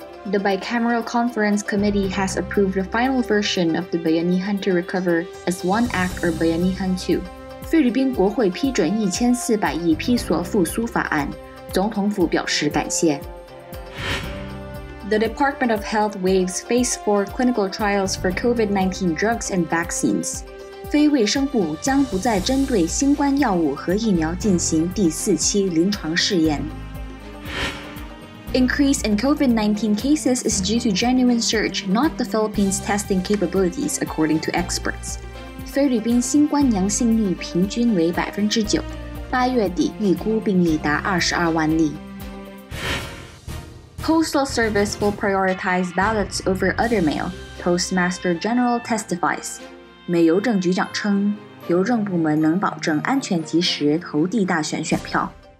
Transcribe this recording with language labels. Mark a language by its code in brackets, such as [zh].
[en] The bicameral conference committee has approved the final version of the Bayanihan to recover as one act or Bayanihan 2. [zh] 菲律宾国会批准1400亿批索复苏法案，总统府表示感谢。 [en] The Department of Health waives phase 4 clinical trials for COVID-19 drugs and vaccines. [zh] 非卫生部将不再针对新冠药物和疫苗进行第四期临床试验。 [en] Increase in COVID-19 cases is due to genuine surge, not the Philippines' testing capabilities, according to experts. [zh] 菲律宾新冠阳性率平均为 9%, 八月底预估病例达22万例。 [en] Postal Service will prioritize ballots over other mail, Postmaster General testifies. [zh] 美邮政局长称，邮政部门能保证安全及时投递大选选票。